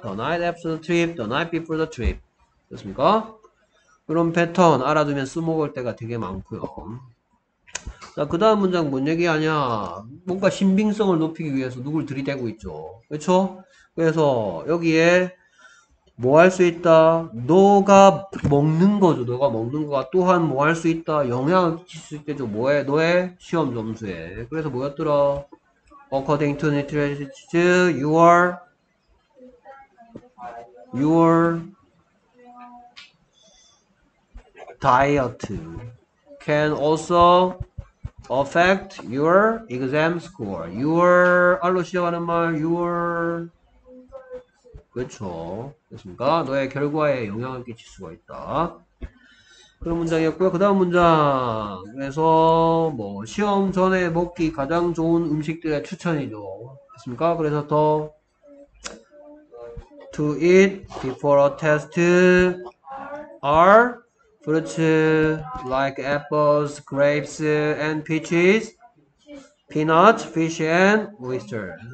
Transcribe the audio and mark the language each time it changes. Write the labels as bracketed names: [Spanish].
[English] The night after the trip, the night before the trip. [Korean] 됐습니까? 그런 패턴 알아두면 쓰먹을 때가 되게 많고요. 자, 그 다음 문장 뭔 얘기하냐? 뭔가 신빙성을 높이기 위해서 누굴 들이대고 있죠. 그렇죠? 그래서 여기에 뭐할수 있다? 너가 먹는 거죠. 너가 먹는 거가 또한 뭐할수 있다? 영향을 끼칠 수 있겠죠. 뭐에? 너의 시험 점수에. 그래서 뭐였더라? [English] According to literature, your diet can also affect your exam score. Your로 시작하는 말, your. [Korean] 그렇죠. 됐습니까? 너의 결과에 영향을 끼칠 수가 있다. 그런 문장이었고요. 그 다음 문장. 그래서, 뭐, 시험 전에 먹기 가장 좋은 음식들의 추천이죠. 됐습니까? 그래서 더, [English] to eat before a test are, [Korean] 그렇지, [English] like apples, grapes, and peaches, peanuts, fish, and oyster.